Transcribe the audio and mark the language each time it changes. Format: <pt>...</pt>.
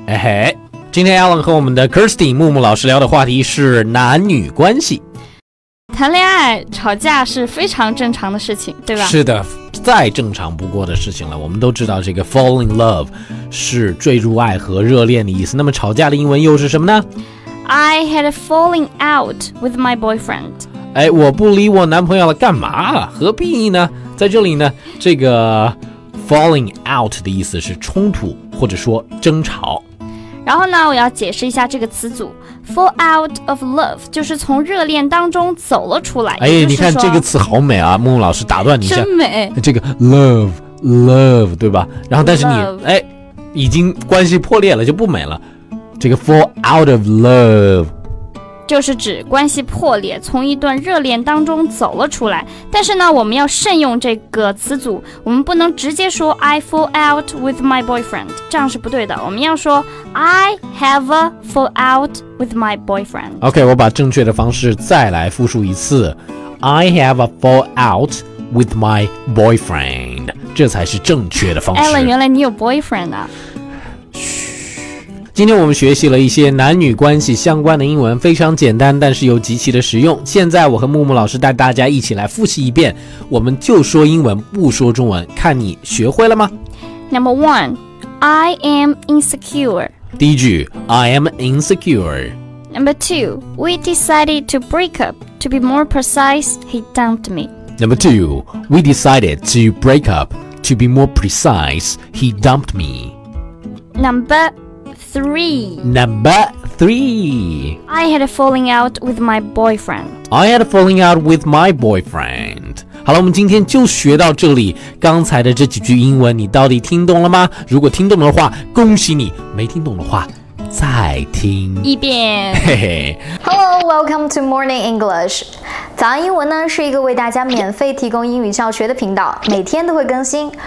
<zh>哎嘿，今天 Alan 和我们的 Kirsten 木木老师聊的话题是男女关系。谈恋爱吵架是非常正常的事情，对吧？是的，再正常不过的事情了。我们都知道这个</zh> <en>fall in love</en> <zh>是坠入爱河、热恋的意思，那么吵架的英文又是什么呢？</zh> <en>I had a falling out with my boyfriend。</en> <zh>哎，我不理我男朋友了，干嘛？何必呢？在这里呢，这个 falling out 的意思是冲突或者说争吵。然后呢，我要解释一下这个词组。</zh> <en>Fall out of love</en> <zh>就是从热恋当中走了出来。哎，你看这个词好美啊，木木老师打断你一下。真美。这个 love love 对吧？然后但是你、哎、已经关系破裂了就不美了。这个</zh> <en>fall out of love</en> <zh>就是指关系破裂，从一段热恋当中走了出来。但是呢，我们要慎用这个词组，我们不能直接说</zh> <en>I fall out with my boyfriend，</en> <zh>这样是不对的。我们要说</zh> <en>I have a fall out with my boyfriend。</en> <zh>OK， 我把正确的方式再来复述一次。</zh> <en>I have a fallout with my boyfriend，</en> <zh>这才是正确的方式。 Alan， 原来你有 boyfriend 啊。今天我们学习了一些男女关系相关的英文，非常简单，但是又极其的实用。现在我和木木老师带大家一起来复习一遍，我们就说英文，不说中文，看你学会了吗？</zh> <en>Number one， I am insecure。</en> <zh>第一句，</zh> <en>I am insecure。 Number two， we decided to break up。 To be more precise, he dumped me. Number two, we decided to break up. To be more precise, he dumped me. Number three. Number three. I had a falling out with my boyfriend. I had a falling out with my boyfriend.</en> <zh>好了，我们今天就学到这里。刚才的这几句英文你到底听懂了吗？如果听懂的话，恭喜你。没听懂的话，再听一遍。</zh> <en>Hello, welcome to Morning English.</en> <zh>早安英文呢是一个为大家免费提供英语教学的频道，每天都会更新。</zh>